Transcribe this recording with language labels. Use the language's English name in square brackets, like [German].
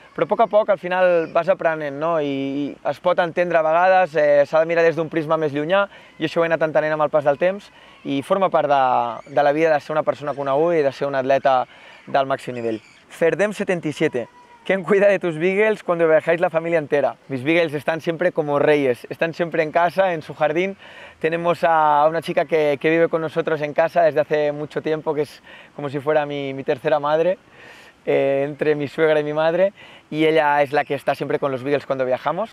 [Catalan] Però a poc al final vas aprenent, no? I es pot entendre a vegades, s'ha de mirar des d'un prisma més llunyà, i això ho he anat entenent amb el pas del temps, i forma part de la vida de ser una persona coneguda i de ser un atleta del màxim nivell. Ferdem 77. [Spanish] ¿Quién cuida de tus beagles cuando viajáis la familia entera? Mis beagles están siempre como reyes, están siempre en casa, en su jardín. Tenemos a una chica que vive con nosotros en casa desde hace mucho tiempo, que es como si fuera mi tercera madre, entre mi suegra y mi madre, y ella es la que está siempre con los beagles cuando viajamos.